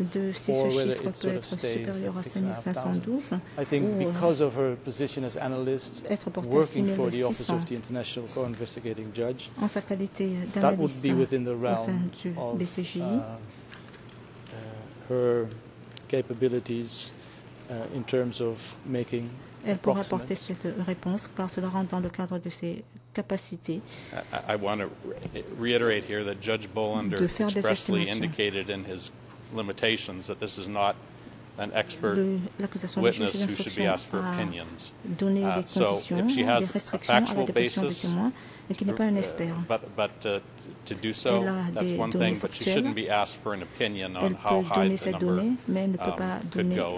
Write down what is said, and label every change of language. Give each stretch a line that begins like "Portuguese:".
French: de si ce chiffre peut être supérieur à 5,512.
English: I think because of her position as analyst working for the office of the international court investigating judge
French: en sa qualité d'analyste,
English: that would be within the realm of her capabilities in terms of making
French: elle pourra apporter cette réponse car cela rentre dans le cadre de ses capacités.
English: I want to reiterate here that Judge Bolander expressly indicated in his limitations that this is not an expert witness who should be asked for opinions. So if she has a factual basis, to do so, that's one thing, but she shouldn't be asked for an opinion on how high the number could go.